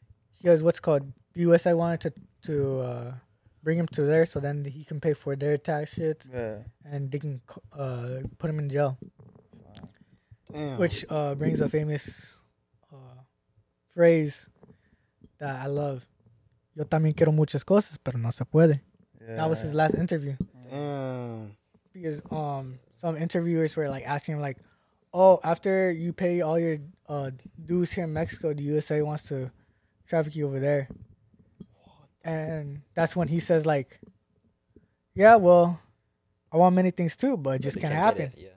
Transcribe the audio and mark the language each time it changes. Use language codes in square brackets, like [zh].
[en] He has what's called, the USA wanted to bring him to there so then he can pay for their tax shit. Yeah. And they can put him in jail. Damn. Which brings a famous phrase that I love. [es] Yo también quiero muchas cosas, pero no se puede. [en] Yeah. That was his last interview. Damn. Because some interviewers were like asking him like, oh, after you pay all your dues here in Mexico, the USA wants to traffic you over there. And that's when he says like, yeah, well, I want many things too, but it just can't happen.